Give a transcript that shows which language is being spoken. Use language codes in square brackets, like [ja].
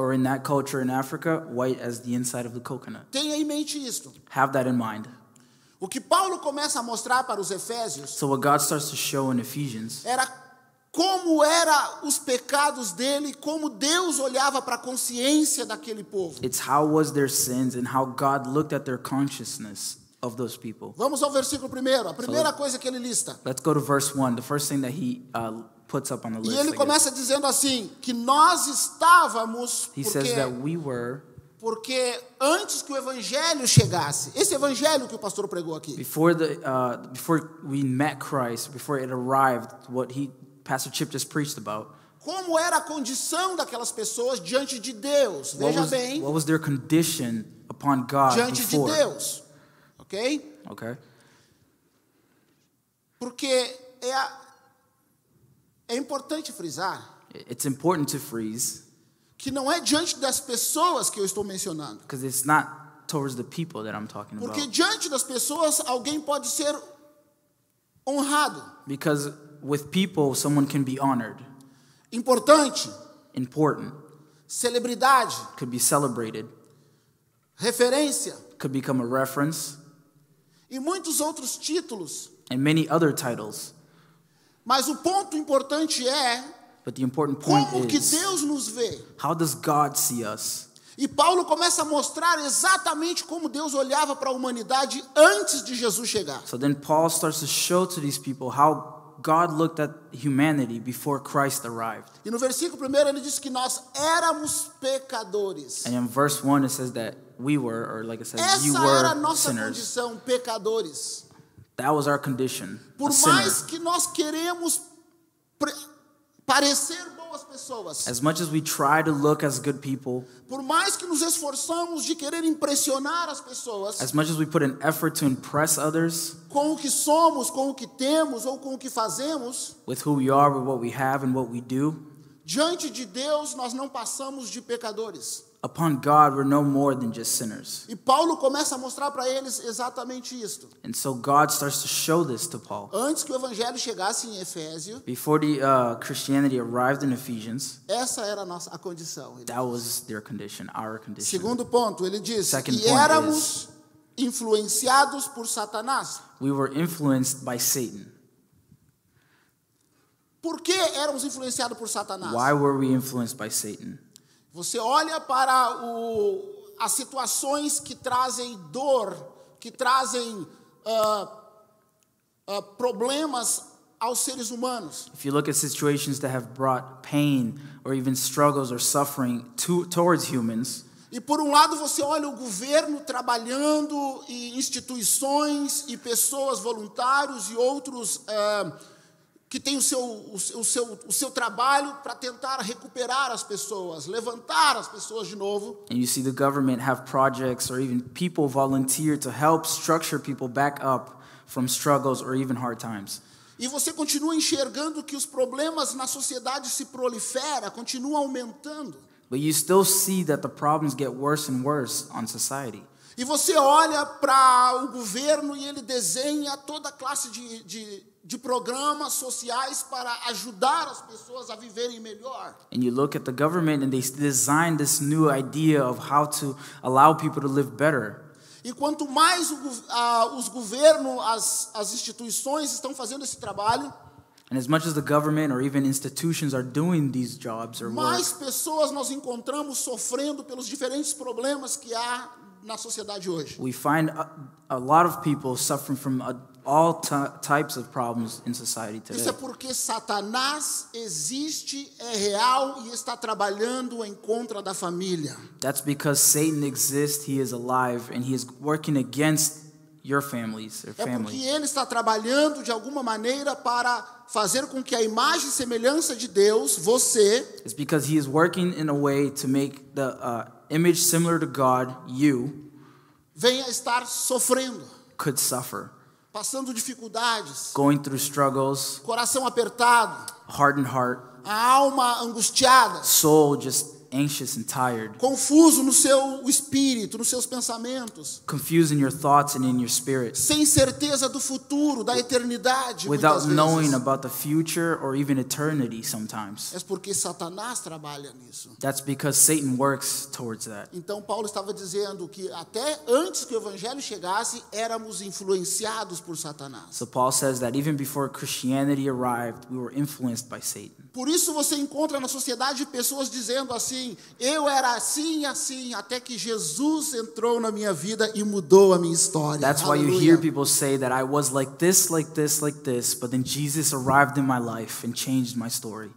[en] Or in that culture in Africa, white as the inside of the coconut. [pt] Tenha em mente isto. [en] Have that in mind. [pt] O que Paulo começa a mostrar para os Efésios, [en] so what God starts to show in Ephesians, [pt] era como era os pecados dele, como Deus olhava para a consciência daquele povo. [en] It's how was their sins and how God looked at their consciousness of those people. [pt] Vamos ao versículo primeiro, a primeira coisa que ele lista. [en] Let's go to verse 1, the first thing that he puts up on the list. [pt] E ele começa dizendo assim, que nós estávamos, [en] he says that we were, [pt] porque antes que o evangelho chegasse, esse evangelho que o pastor pregou aqui. [en] Before we met Christ, before it arrived, what he Pastor Chip just preached about. [pt] Como era a condição daquelas pessoas diante de Deus? Veja bem. [en] What was their condition upon God [pt] diante [en] before? [pt] De Deus. Okay? [en] Okay. [pt] Porque é importante frisar. [en] It's important to freeze. [pt] Que não é diante das pessoas que eu estou mencionando. [en] Because it's not towards the people that I'm talking [pt] Porque [en] about. [pt] Porque diante das pessoas alguém pode ser honrado. [en] Because with people, someone can be honored. [pt] Importante. [en] Important. [pt] Celebridade. [en] Could be celebrated. [pt] Referência. [en] Could become a reference. [pt] E muitos outros títulos. [en] And many other titles. [pt] Mas o ponto importante é, [en] but the important point [pt] como [en] is, [pt] que Deus nos vê. [en] How does God see us? [pt] E Paulo começa a mostrar exatamente como Deus olhava para a humanidade antes de Jesus chegar. [en] So then Paul starts to show to these people how God looked at humanity before Christ arrived. [pt] E no versículo primeiro ele diz que nós éramos pecadores. [en] And in verse 1 it says that we were, or like I said, [pt] essa [en] you were [pt] era a nossa [en] sinners. [pt] Condição, pecadores. [en] That was our condition. [pt] Por [en] a [pt] mais [en] sinner. [pt] Que nós queremos parecer boas pessoas. [en] As much as we try to look as good people. [pt] Por mais que nos esforçamos de querer impressionar as pessoas. [en] As much as we put an effort to impress others. [pt] Com o que somos, com o que temos ou com o que fazemos. [en] With who we are, with what we have and what we do. [pt] Diante de Deus, nós não passamos de pecadores. [en] Upon God, we're no more than just sinners. [pt] E Paulo começa a mostrar para eles exatamente isto. [en] And so God starts to show this to Paul. [pt] Antes que o evangelho chegasse em Efésio, [en] before the Christianity arrived in Ephesians, [pt] essa era a condição. [en] That was their condition, our condition. [pt] Segundo ponto, ele diz, [en] second [pt] que éramos influenciados por Satanás. [en] We were influenced by Satan. [pt] Por que éramos influenciados por Satanás? [en] Why were we influenced by Satan? [pt] Você olha para as situações que trazem dor, que trazem problemas aos seres humanos. [en] If you look at situations that have brought pain or even struggles or suffering towards humans. [pt] E por um lado você olha o governo trabalhando e instituições e pessoas voluntários e outros que tem o seu trabalho para tentar recuperar as pessoas, levantar as pessoas de novo. [en] And you see the government have projects or even people volunteer to help structure people back up from struggles or even hard times. [pt] E você continua enxergando que os problemas na sociedade se proliferam, continuam aumentando. [en] But you still see that the problems get worse and worse on society. [pt] E você olha para o governo e ele desenha toda a classe de programas sociais para ajudar as pessoas a viverem melhor. [en] And you look at the government and they design this new idea of how to allow people to live better. [pt] E quanto mais os governos, as instituições estão fazendo esse trabalho, [en] and as much as the government or even institutions are doing these jobs or [pt] mais [en] work, [pt] pessoas nós encontramos sofrendo pelos diferentes problemas que há na sociedade hoje. [en] We find a lot of people suffering from all types of problems in society today. [pt] Isso é porque Satanás existe, é real e está trabalhando em contra da família. [en] That's because Satan exists, he is alive, and he is working against your families, their family. [pt] É porque ele está trabalhando de alguma maneira para fazer com que a imagem e semelhança de Deus, você, [en] it's because he is working in a way to make the image similar to God, you, [pt] venha estar sofrendo. [en] Could suffer. [pt] Passando dificuldades. [en] Going through struggles. [pt] Coração apertado. [en] Hardened heart. [pt] A alma angustiada. [en] Soul just anxious and tired. [pt] Confuso no seu espírito, nos seus pensamentos. [en] Confused in your thoughts and in your spirit. [pt] Sem certeza do futuro, da eternidade. [en] Without knowing about the future or even eternity sometimes. [pt] É porque Satanás trabalha nisso. [en] That's because Satan works towards that. [pt] Então Paulo estava dizendo que até antes que o evangelho chegasse, éramos influenciados por Satanás. [en] So Paul says that even before Christianity arrived, we were influenced by Satan. [pt] Por isso você encontra na sociedade pessoas dizendo assim, eu era assim e assim, até que Jesus entrou na minha vida e mudou a minha história. [en] That's why you hear people say that I was like this, like this, like this, but then Jesus arrived in my life and changed my story.